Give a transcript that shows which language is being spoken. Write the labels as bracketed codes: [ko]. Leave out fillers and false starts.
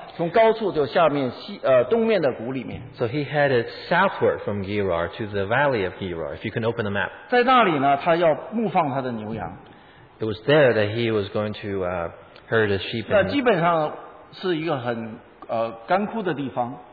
[zh] 结果他就到了这个亚基拉尔谷，就从那个高处，如果地打到地图的话，从高处就下面西东面的谷里面。 [en] So he headed southward from Gerar to the valley of Gerar, if you can open the map. [zh] 在那里呢，他要牧放他的牛羊。 [en] It was there that he was going to herd his sheep. [zh] 那基本上是一个很干枯的地方。